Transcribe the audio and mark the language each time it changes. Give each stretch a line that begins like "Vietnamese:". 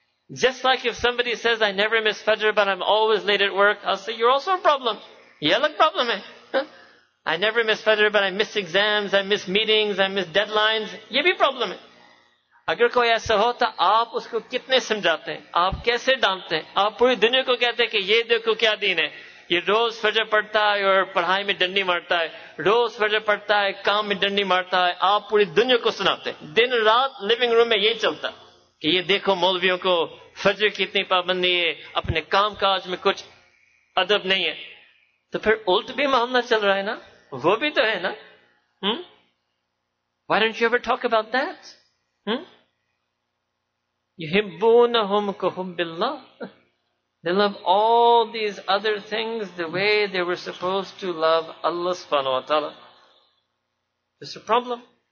English: Just like if somebody says, I never miss Fajr but I'm always late at work, I'll say, you're also a problem. Yeah, look, problem. I never miss Fajr but I miss exams, I miss meetings, I miss deadlines. Yeah, be problem.
Urdu: اگر کوئی ایسا ہو تو آپ اس کو کتنے سمجھاتے ہیں, آپ کیسے ڈانٹتے ہیں, آپ پوری دنیا کو کہتے ہیں کہ یہ دیکھو کیا دین ہے, یہ روز فجر پڑھتا ہے اور پڑھائی میں ڈنڈی مارتا ہے, روز فجر پڑھتا ہے کام میں ڈنڈی مارتا ہے. آپ پوری دنیا کو سناتے ہیں, دن رات لیونگ روم میں یہی چلتا کہ یہ دیکھو مولویوں کو فجر کی اتنی پابندی ہے, اپنے کام کاج میں کچھ ادب نہیں ہے. تو پھر الٹ بھی معاملہ چل رہا ہے نا, وہ بھی تو ہے نا.
English: Why don't you ever talk about that?
Arabic: يُحِبُّونَهُمْ كَحُبِّ اللَّهِ.
English: They love all these other things the way they were supposed to love Allah subhanahu wa ta'ala. It's a problem.